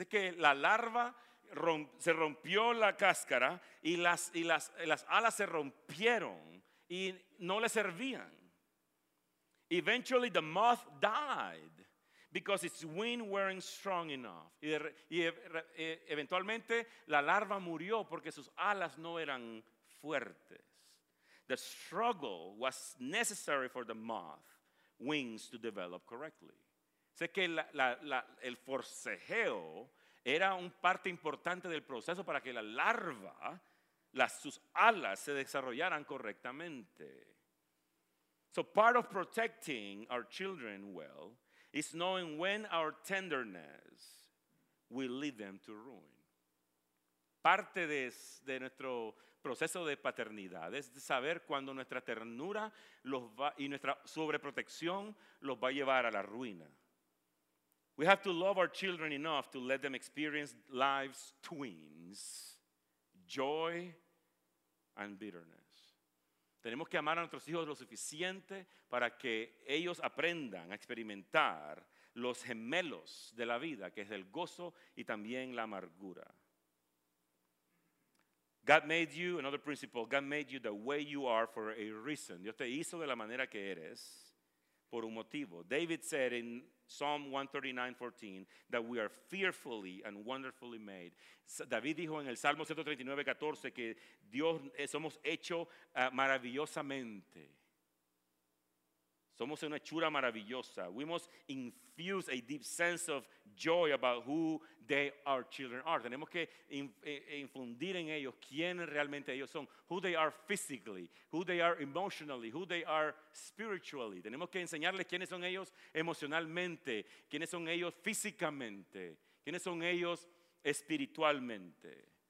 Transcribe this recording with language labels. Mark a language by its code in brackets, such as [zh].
[es] Es que la larva se rompió la cáscara y las alas se rompieron y no le servían. [en] Eventually, the moth died because its wings weren't strong enough. [es] Eventualmente, la larva murió porque sus alas no eran fuertes. [en] The struggle was necessary for the moth wings to develop correctly. [es] Sé que el forcejeo era un parte importante del proceso para que la larva, sus alas se desarrollaran correctamente. [en] So part of protecting our children well is knowing when our tenderness will lead them to ruin. [es] Parte de nuestro proceso de paternidad es de saber cuando nuestra ternura y nuestra sobreprotección los va a llevar a la ruina. [en] We have to love our children enough to let them experience life's twins, joy and bitterness. [es] Tenemos que amar a nuestros hijos lo suficiente para que ellos aprendan a experimentar los gemelos de la vida, que es el gozo y también la amargura. [en] God made you, another principle, God made you the way you are for a reason. [es] Dios te hizo de la manera que eres por un motivo. [en] David said in Psalm 139:14 that we are fearfully and wonderfully made. [es] David dijo en el Salmo 139:14 que Dios somos hecho maravillosamente. Somos una hechura maravillosa. [en] We must infuse a deep sense of joy about who they are, children are. [es] Tenemos que infundir en ellos quién realmente ellos son. [en] Who they are physically, who they are emotionally, who they are spiritually. [es] Tenemos que enseñarles quiénes son ellos emocionalmente, quiénes son ellos físicamente, quiénes son ellos espiritualmente.